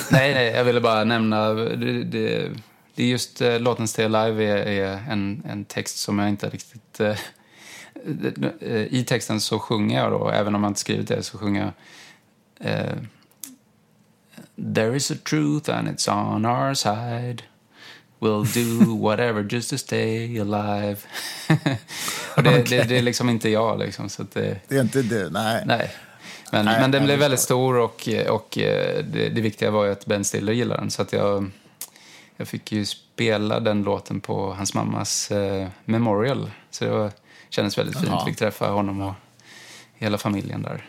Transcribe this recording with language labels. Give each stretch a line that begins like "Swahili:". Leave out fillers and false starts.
Swedish: Nej, jag ville bara nämna det är just låten Stay Alive är en text som jag inte riktigt i texten så sjunger jag då, även om man inte skrivit det så sjunger jag
English: there is a truth and it's on our side. We'll do whatever just to stay alive.
Swedish: Och det är liksom inte jag liksom, så att det är inte du, nej. Nej. Men, nej, men den blev väldigt stor och det viktiga var ju att Ben Stiller gillade den. Så att jag fick ju spela den låten på hans mammas memorial. Så det kändes väldigt fint. Jaha. Fick träffa honom och hela familjen där.